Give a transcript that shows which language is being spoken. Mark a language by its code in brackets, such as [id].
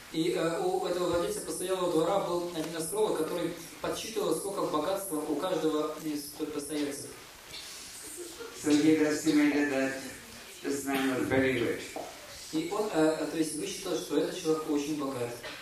[ru] И у этого владельца постоялого двора был один астролог, который подсчитывал, сколько богатства у каждого из постояльцев. [en] So he estimated that this man was very rich. [ru] И он, то есть, высчитал, что этот человек очень богат.